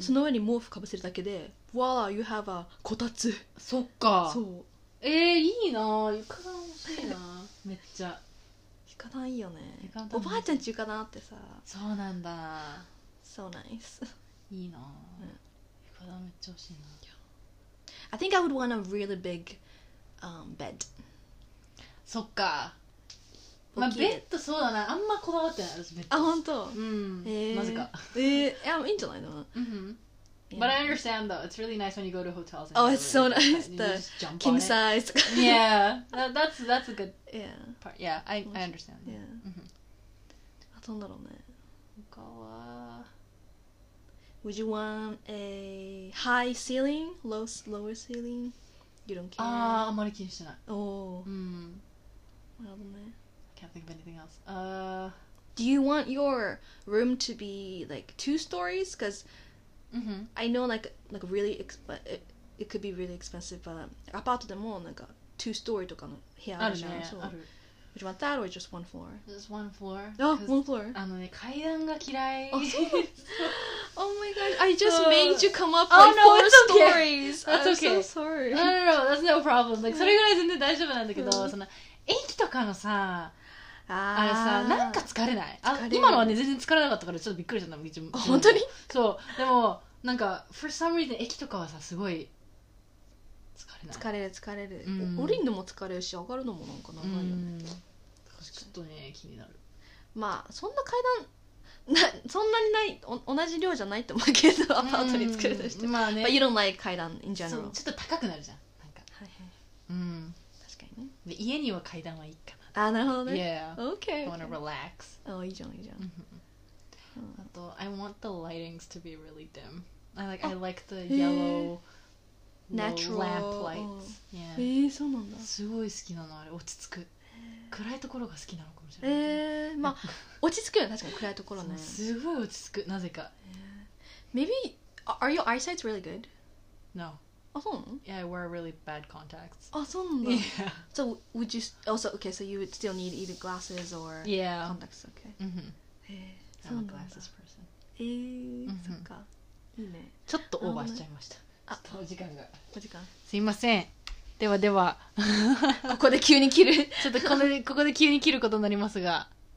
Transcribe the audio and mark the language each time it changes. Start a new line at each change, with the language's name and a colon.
Japanese: その上に毛布かぶせるだけで、うん、
English: Voila, you have a
Japanese: こたつ。そっか。そう。いいな、床暖欲しいな。めっちゃ床暖いいよね。おばあちゃんち床暖あってさ。そうなんだ。
English: So nice。
Japanese: いいな、うん、床暖めっちゃ欲しいな。
English: I think I would want a really big、bed.
Japanese: そっか。まあ、ベッドそうだな。あんまこだわってない。ベッド。あ、本当。うん。まずか。いや、いいんじゃないの。
English: But I understand though. It's really nice when you go to hotels. And oh, it's so nice. You the king size. Yeah. That's a good part. Yeah. Yeah, I understand.
Japanese: Yeah. あとなんだろうね。他は。
English: Would you want a high ceiling, lower ceiling? You don't care.
Japanese: Ah, あまり気にしてない。
English: Oh.
Japanese: うん。なるほどね。
English: I can't think of anything else. Do you want your room to be like two stories? Because、 mm-hmm. I know like really, it could be really expensive, but
Japanese: アパートでもなんか two-story とかの部屋あるじゃん。ある、ね、そう。ある。
English: Would you want that or just one floor? Just one floor. Oh, one floor.
Japanese: あのね、階段が嫌い。
English: Oh, so. Oh my god, I just made you come up with four stories. That's okay. I'm so sorry. No, no, no, that's no problem.
Japanese: Like, それぐらい全然大丈夫なんだけど、その、駅とかのさ、あれさ、なんか疲れない。あ、今のはね、全然疲れなかったからちょっとびっくりしたんだ、自分。本当に？そう。でも、なんか、
English: for some reason,
Japanese: 駅とかはさ、すごい、疲れない。疲れる、疲れる。降りるのも疲れるし、上がるのもなんか長いよね。ちょっとね、気になる。まあ、そんな階段、そんなにない、同じ量じゃないと思うけど、アパートに作るとして。まあね。まあ、色のない階段、in general。ちょっと高くなるじゃん。なんか。はいはい。確かにね。で、家には階段はいいかな。あ、なるほどね。
English: Yeah. Okay. I wanna relax.
Japanese: おいいじゃん、いいじゃん。あと、
English: I want the lightings to be really dim. I like the yellow natural lamp lights.
Japanese: へ、ぇ、そうなんだ。すごい好きなの、あれ。落ち着く。暗いところが好きなのかもしれない。まあ、落ち着くよね、確かに暗いところね。すごい落ち着く、なぜか。
English: Maybe, are your eyesight really good? No. Yeah, I wear really bad contacts. Oh, so? Yeah. So, would you also, okay, so you would still need either glasses or contacts, okay? Mm-hmm. I'm a glasses person.
Japanese: そっか。いいね。ちょっとオーバーしちゃいました。あ、お時間が。お時間。すいません。ではでは。ここで急に切る。ちょっとここで急に切ることになりますが。